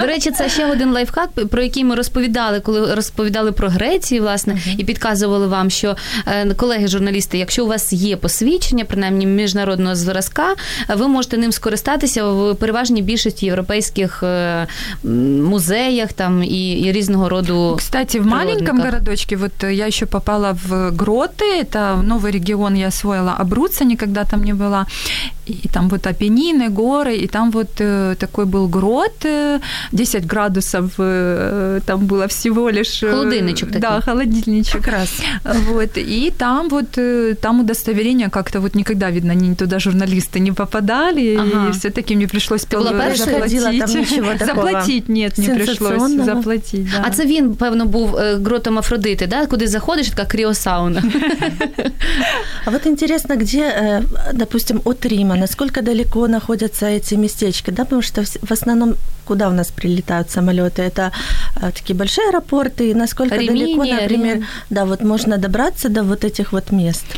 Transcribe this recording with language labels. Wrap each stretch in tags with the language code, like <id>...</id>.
<uk>До речі, це ще один лайфхак, про який ми розповідали, коли розповідали про Грецію, власне, і підказували вам, що, колеги-журналісти, якщо у вас є посвідчення, принаймні, міжнародного зразка, ви можете ним скористатися в переважній більшості європейських музеях, там і різного роду. Кстати, в маленькому городочці, вот я ще попала в гроти, це новий регіон, я освоїла Абруцци, ніколи там не була.</uk> <ru>И там вот Апеннины, горы, и там вот такой был грот, 10 градусов там было всего лишь... Холодильничек такой. Да, холодильничек. Как раз. Вот, и там вот, там удостоверение как-то вот никогда, видно, ни туда журналисты не попадали, ага. И все-таки мне пришлось заплатить. Ты была первая, что там ничего такого? Заплатить, нет, не пришлось заплатить, да.</ru> <uk>А це він, певно, був гротом Афродити, да? Куди заходиш, така криосауна.</uk> <ru>А вот интересно, где, допустим, от Рим, насколько далеко находятся эти местечки? Да, потому что в основном куда у нас прилетают самолеты? Это такие большие аэропорты, и насколько Римини, далеко, например, да, вот можно добраться до вот этих вот мест?</ru>